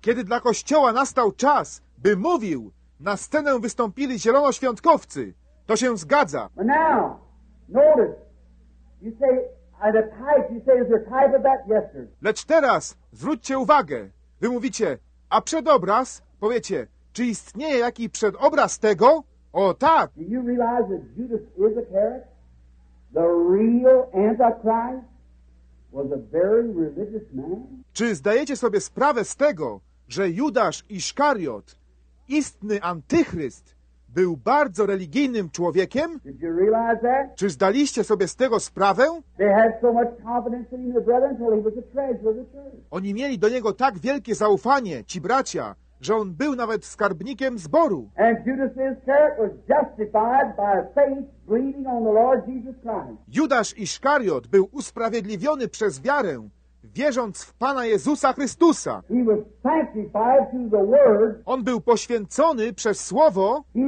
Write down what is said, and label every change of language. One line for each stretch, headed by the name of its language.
Polish: Kiedy dla Kościoła nastał czas, by mówił, na scenę wystąpili zielonoświątkowcy. To się zgadza.
English: But now, notice, you say, the type, you say, is there a type of that? Yes, sir.
Polish: Lecz teraz, zwróćcie uwagę. Wy mówicie, a przedobraz? Powiecie, czy istnieje jaki przedobraz tego? O, tak.
English: Do you realize that Judas Iscariot, the real Antichrist, was a very religious man?
Polish: Czy zdajecie sobie sprawę z tego, że Judasz Iszkariot, istny antychryst, był bardzo religijnym człowiekiem?
English: Did you realize that?
Polish: Czy zdaliście sobie z tego sprawę?
English: They had so much confidence in the brethren until he was a treasure of the church.
Polish: Oni mieli do niego tak wielkie zaufanie, ci bracia, że on był nawet skarbnikiem zboru.
English: And Judas Iscariot was justified by faith believing on the Lord Jesus Christ.
Polish: Judasz Iszkariot był usprawiedliwiony przez wiarę, wierząc w Pana Jezusa Chrystusa.
English: He was sanctified through the word.
Polish: On był poświęcony przez słowo.